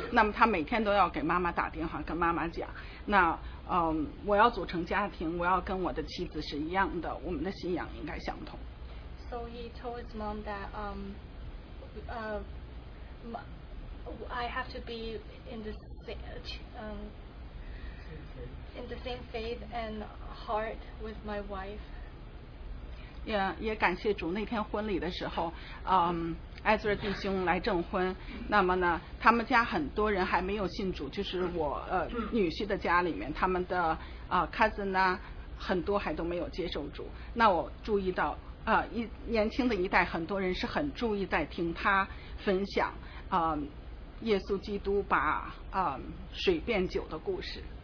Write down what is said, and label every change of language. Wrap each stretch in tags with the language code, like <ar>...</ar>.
<zh>那么他每天都要给妈妈打电话，跟妈妈讲，那我要组成家庭，我要跟我的妻子是一样的，我们的信仰应该相同。</zh> <en>So he told his mom that I have to be in the same faith and heart with my wife.</en> <zh>也感谢主，那天婚礼的时候，艾泽弟兄来证婚，那么呢，他们家很多人还没有信主，就是我女婿的家里面，他们的cousin 啊，很多还都没有接受主。那我注意到，年轻的一代很多人是很注意在听他分享，耶稣基督把水变酒的故事。</zh>